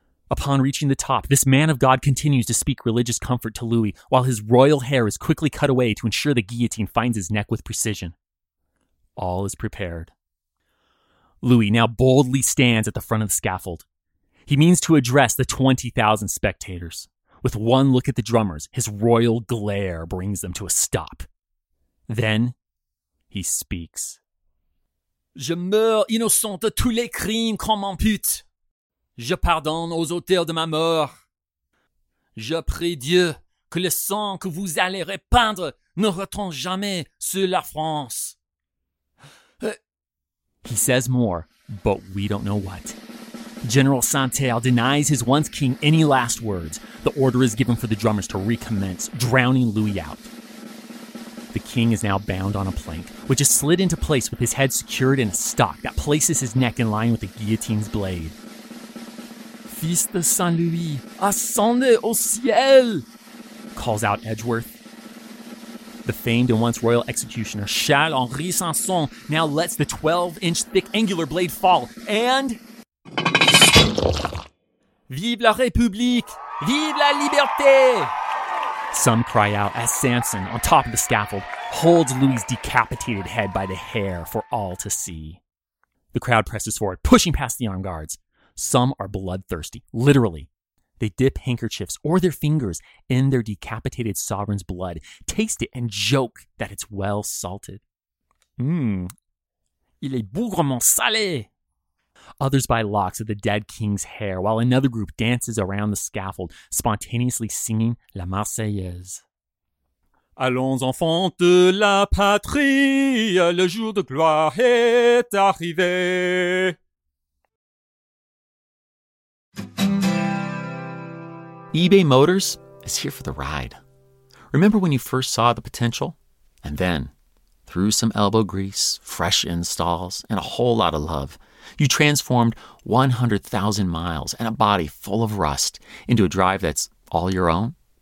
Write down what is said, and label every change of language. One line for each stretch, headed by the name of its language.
English: Upon reaching the top, this man of God continues to speak religious comfort to Louis, while his royal hair is quickly cut away to ensure the guillotine finds his neck with precision. All is prepared. Louis now boldly stands at the front of the scaffold. He means to address the 20,000 spectators. With one look at the drummers, his royal glare brings them to a stop. Then, he speaks.
French: Je meurs innocent de tous les crimes qu'on m'impute. Je pardonne aux auteurs de ma mort. Je prie Dieu que le sang que vous allez répandre ne retombe jamais sur la France.
English: He says more, but we don't know what. General Santerre denies his once king any last words. The order is given for the drummers to recommence, drowning Louis out. The king is now bound on a plank, which is slid into place with his head secured in a stock that places his neck in line with the guillotine's blade.
French: Fils de Saint-Louis, ascendez au ciel!
English: Calls out Edgeworth. The famed and once royal executioner, Charles-Henri Sanson, now lets the 12-inch thick angular blade fall, and...
French: Vive la République! Vive la liberté!
English: Some cry out as Sanson, on top of the scaffold, holds Louis' decapitated head by the hair for all to see. The crowd presses forward, pushing past the armed guards. Some are bloodthirsty, literally. They dip handkerchiefs or their fingers in their decapitated sovereign's blood, taste it, and joke that it's well salted.
French: Il est bougrement salé!
English: Others buy locks of the dead king's hair, while another group dances around the scaffold, spontaneously singing La Marseillaise.
French: Allons, enfants de la patrie, le jour de gloire est arrivé.
English: eBay Motors is here for the ride. Remember when you first saw the potential? And then, through some elbow grease, fresh installs, and a whole lot of love, you transformed 100,000 miles and a body full of rust into a drive that's all your own?